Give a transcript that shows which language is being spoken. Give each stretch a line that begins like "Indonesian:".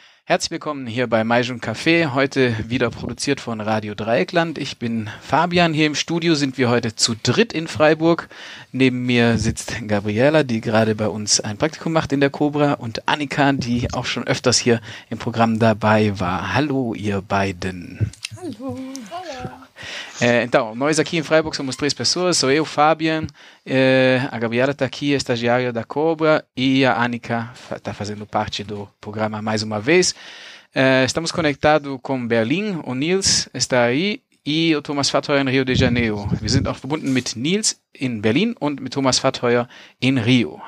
German: Herzlich willkommen hier bei Maisum Café, heute wieder produziert von Radio Dreieckland. Ich bin Fabian, hier im Studio sind wir heute zu dritt in Freiburg. Neben mir sitzt Gabriela, die gerade bei uns ein Praktikum macht in der Cobra, und Annika, die auch schon öfters hier im Programm dabei war. Hallo ihr beiden. Hallo.
Portuguese: Então, nós aqui em Freiburg somos três pessoas, sou eu, Fabian, a Gabriela está aqui, a estagiária da Cobra, e a Annika está fazendo parte do programa mais uma vez. Estamos conectados com Berlim, o Nils está aí, e o Thomas Fathauer em Rio de Janeiro.
German: Wir sind auch verbunden mit Nils in Berlin und mit Thomas Fathauer in Rio.